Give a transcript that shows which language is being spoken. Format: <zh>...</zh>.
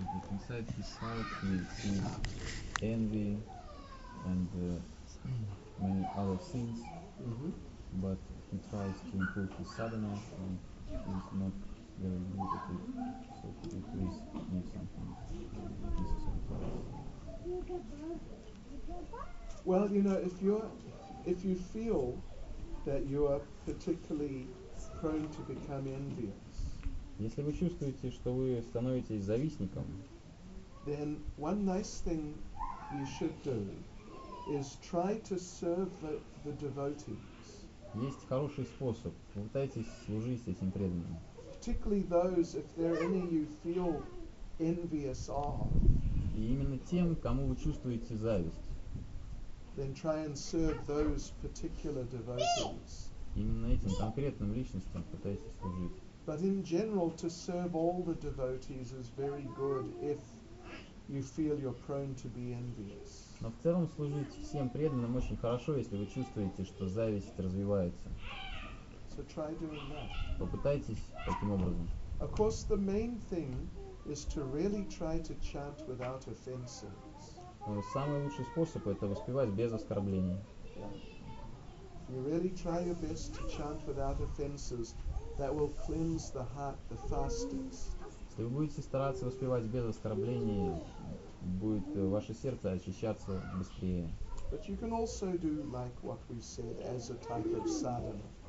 <en>Inside his heart he sees envy and many other things, but he tries to improve his sadhana and he's not very good at it, so he at least needs something. Well, you know, if you feel that you are particularly prone to become envious,</en> <ru>если вы чувствуете, что вы становитесь завистником,</ru> <en>then one nice thing you should do is try to serve the devotees.</en> <ru>Есть хороший способ. Пытайтесь служить этим преданным.</ru> <en>Particularly those, if there are any you feel envious of.</en> <ru>И именно тем, кому вы чувствуете зависть.</ru> <en>Then try and serve those particular devotees.</en> <ru>Именно этим конкретным личностям пытайтесь служить.</ru> <en>But in general, to serve all the devotees is very good if you feel you're prone to be envious.</en> <ru>Но в целом служить всем преданным очень хорошо, если вы чувствуете, что зависть развивается.</ru> <en>So try doing that.</en> <ru>Попытайтесь таким образом.</ru> <en>Of course, the main thing is to really try to chant without offenses.</en> <ru>Но самый лучший способ это воспевать без оскорблений.</ru> <en>Yeah. You really try your best to chant without offenses. That will cleanse the heart the fastest.</en> <ru>Если вы будете стараться воспевать без оскорблений, будет ваше сердце очищаться быстрее.</ru> <en>But you can also do like what we said as a type of sadhana.</en>